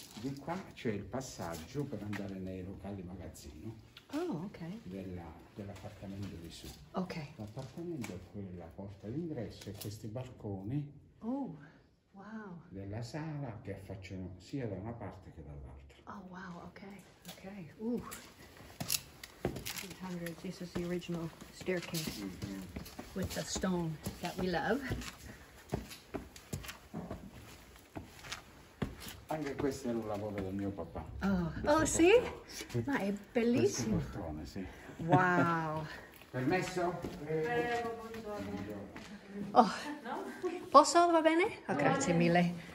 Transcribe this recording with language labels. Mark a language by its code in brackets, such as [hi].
[it] Di qua c'è il passaggio per andare nei locali magazzino. Oh, okay. Dell'appartamento di su. Ok. L'appartamento è quella porta d'ingresso e questi balconi. Oh, wow. Della sala che affacciano sia da una parte che dall'altra. Oh, wow, okay. Okay. Ooh. [en] This is the original staircase with the stone that we love. [it] Anche questo è un lavoro del mio papà. Oh, sì? Ma è bellissimo. Questo portone, sì. Wow. Permesso? Oh, posso? Va bene? Oh, grazie mille.